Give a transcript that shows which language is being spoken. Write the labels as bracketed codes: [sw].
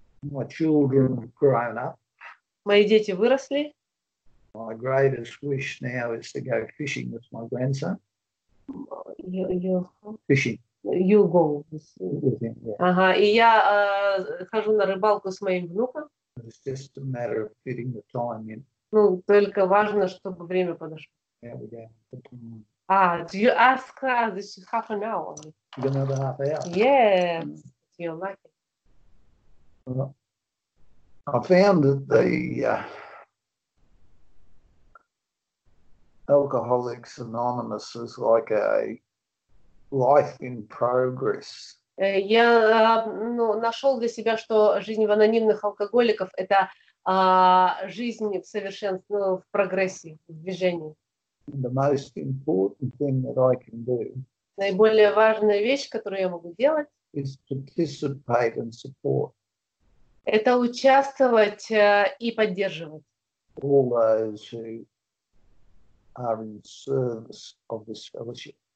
[en] My children have grown up. [ru] Мои дети выросли. [en] My greatest wish now is to go fishing with my grandson. Fishing. You go with him. Yeah. [ru] И я хожу на рыбалку с моим внуком. [en] It's just a matter of fitting the time in. [ru] Ну, только важно, чтобы время подошло. [en] Yeah, we go. Do you ask this is half an hour? You got another half hour. Yes, do you like it? I found that the Alcoholics Anonymous is like a life in progress. [ru] Я нашел для себя, что жизнь в анонимных алкоголиков – это жизнь в совершенстве, в прогрессе, в движении. [en] The most important thing that I can do [ru] Наиболее важная вещь, которую я могу делать [en] is participate and support [ru] – это участвовать и поддерживать. [en] All those who are in service of this fellowship.